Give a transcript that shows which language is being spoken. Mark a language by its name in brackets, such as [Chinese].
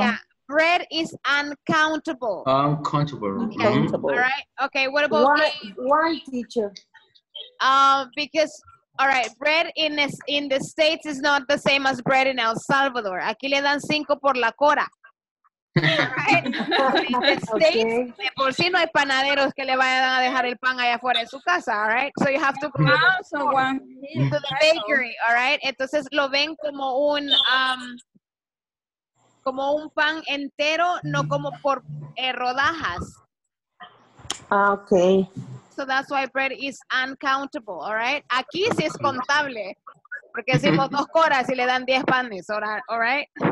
[English] Yeah. Bread is uncountable. Uncountable. Okay. All right. Okay. What about why teacher? Because all right, bread in the States is not the same as bread in El Salvador. [Spanish] Aquí le dan 5 por la cora. Right? [English] In the States, okay. [Spanish] De por sí no hay panaderos que le vayan a dejar el pan allá afuera en su casa, [English] all right? So you have to go to the bakery, all right? [Spanish] Entonces lo ven como un pan entero, no como por rodajas. [English] Okay. So that's why bread is uncountable, all right? [Spanish] Aquí sí es contable, porque hicimos 2 coras y le dan 10 panes, [English] all right?